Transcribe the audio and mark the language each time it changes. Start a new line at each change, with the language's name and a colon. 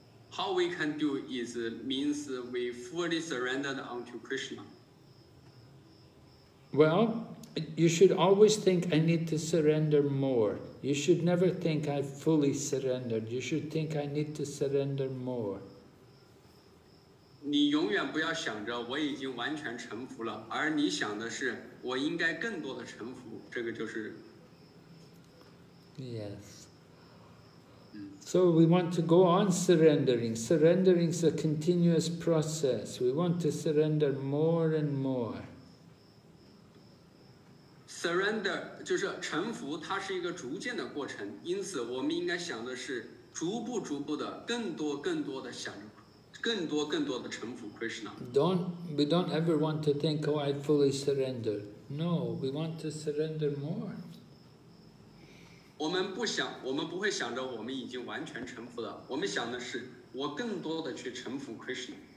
English: How we can do is means we fully surrendered unto Krishna. Well, you should always think I need to surrender more. You should never think I fully surrendered. You should think I need to surrender more.
Chinese: 你永远不要想着我已经完全臣服了，而你想的是我应该更多的臣服。这个就是。
English: Yes. So we want to go on surrendering. Surrendering is a continuous process. We want to surrender more and more.
Chinese: Surrender 就是臣服，它是一个逐渐的过程。因此，我们应该想的是逐步、逐步的，更多、更多的想，更多、更多的臣服 Krishna.
English: We don't ever want to think, "Oh, I fully surrendered." No, we want to surrender more.
Chinese: 我们不想，我们不会想着我们已经完全臣服了。我们想的是，我更多的去臣服 Krishna。